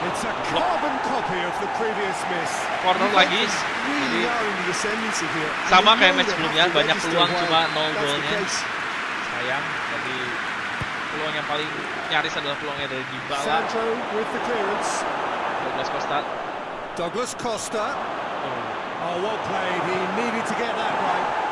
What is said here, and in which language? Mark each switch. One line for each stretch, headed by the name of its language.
English: It's a carbon copy of the previous miss.
Indonesian: Corner lagi.
English: Really are in the ascendancy here.
Indonesian: Sama kayak match sebelumnya, banyak peluang cuma nol golnya. Sayang, tapi peluang yang paling nyaris adalah peluangnya dari Dybala.
English: Sancho with the clearance. Douglas Costa. Douglas Costa. Oh, well played. He needed to get that right.